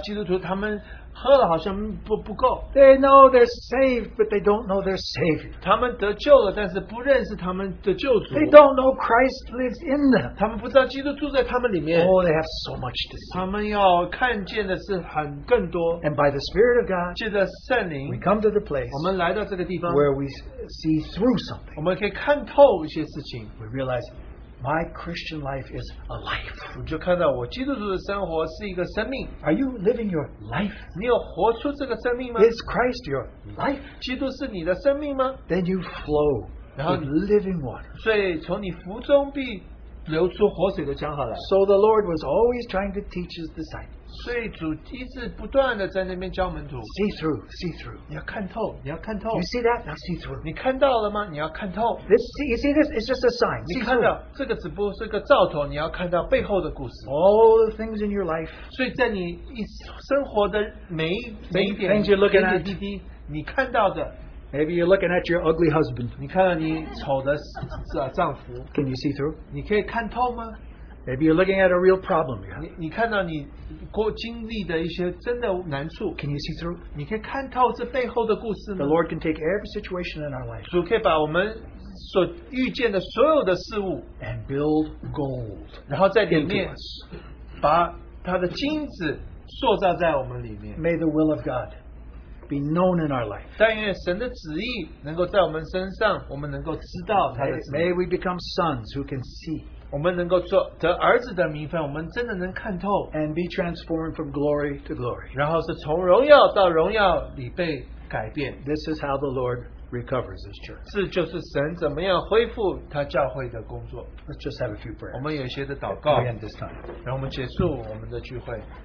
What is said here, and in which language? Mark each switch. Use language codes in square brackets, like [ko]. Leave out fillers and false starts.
[zh] 所以主在恢复那一些基督徒他们喝了好像不够, [en] they know they're saved but they don't know their Savior. [zh] 他们得救了但是不认识他们的救主, [en] they don't know Christ lives in them. [zh] 他们不知道基督住在他们里面, [en] oh, they have so much to see. [zh] 他们要看见的是很更多, [en] and by the Spirit of God [zh] 借着圣灵, [en] we come to the place [zh] 我们来到这个地方, [en] where we see through something. [zh] 我们可以看透一些事情, [en] we realize my Christian life is a life. [zh] 我就看到我基督徒的生活是一个生命。 [en] Are you living your life? [zh] 你有活出这个生命吗? [en] Is Christ your life? [zh] 基督是你的生命吗? [en] Then you flow with living water. [zh] 所以从你腹中必流出活水的江河来。 [en] So the Lord was always trying to teach his disciples. [zh] 所以主一直不断地在那边教门徒, [en] see through, [zh] 你要看透, [en] you see that? Now see through. [zh] 你看到了吗?你要看透, [en] this, see, you see this? It's just a sign. [zh] 你看到这个只不过是个兆头, 你要看到背后的故事, [en] all the things in your life, [zh] 所以在你生活的每一点, [en] you're looking at, [zh] 滴滴, 你看到的, [en] maybe you're looking at your ugly husband. [zh] 你看到你丑的丈夫, [en] can you see through? [zh] 你可以看透吗? [en] Maybe you're looking at a real problem. [zh] 你看到你过经历的一些真的难处, [en] can you see through? [zh] 你可以看透这背后的故事吗? [en] The Lord can take every situation in our life, [zh] 主可以把我们所遇见的所有的事物, [en] and build gold, [zh] 然后在里面 把他的金子塑造在我们里面。 [en] May the will of God be known in our life. [zh] 但愿神的旨意能够在我们身上, 我们能够知道他的旨意。 [en] May we become sons who can see, [zh] 我们能够做得儿子的名分, 我们真的能看透, [en] and be transformed from glory to glory. [zh] 然后是从荣耀到荣耀里被改变。 [en] This is how the Lord recovers his church. [zh] 这就是神怎么样恢复他教会的工作。 [en] Let's just have a few prayers. [zh] 我们有一些的祷告。 [en] We end this time. [zh] 然后我们结束我们的聚会。